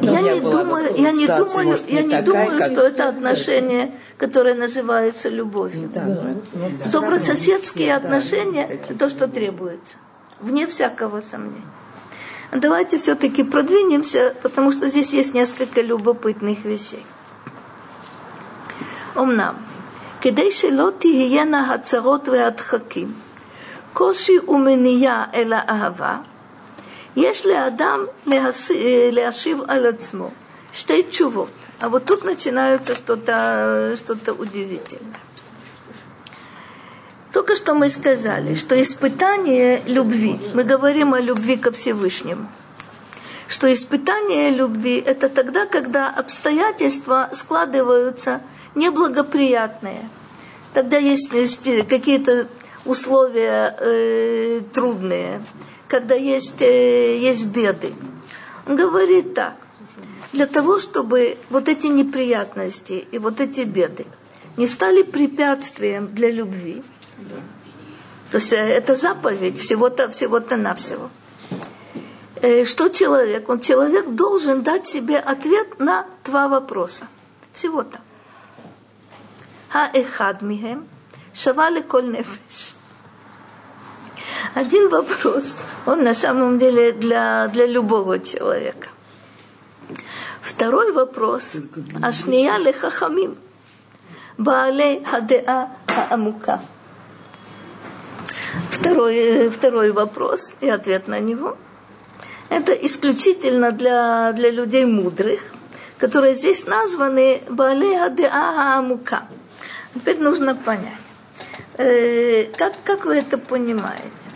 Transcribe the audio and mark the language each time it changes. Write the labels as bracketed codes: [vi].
[ru] Ну, я не думаю, что это отношение, которое называется любовью. Да, ну, добрососедские отношения – это то, что требуется. Вне всякого сомнения. Давайте все-таки продвинемся, потому что здесь есть несколько любопытных вещей. [he] אמנם, כדי שלא תהיינה הצרות והדחקים, קושי ומניעה אל האהבה, יש לאדם להשיב על עצמו שתי תשובות. [ru] אבל тут начинается что-то удивительное. Только что мы сказали, что испытание любви, мы говорим о любви ко Всевышнему, что испытание любви – это тогда, когда обстоятельства складываются неблагоприятные, тогда есть какие-то условия трудные, когда есть беды. Он говорит так, для того, чтобы вот эти неприятности и вот эти беды не стали препятствием для любви, то есть это заповедь всего-то навсего. Что человек? Он человек должен дать себе ответ на два вопроса. Всего-то. [he] האחד מהם שווה לכל נפש. [ru] Один вопрос, он на самом деле для любого человека. Второй вопрос, [he] השנייה לחכמים, בעלי הדעה העמוקה. [ru] Второй вопрос и ответ на него, это исключительно для людей мудрых, которые здесь названы [he] בעלי הדעה העמוקה. [ru] Теперь нужно понять, как вы это понимаете?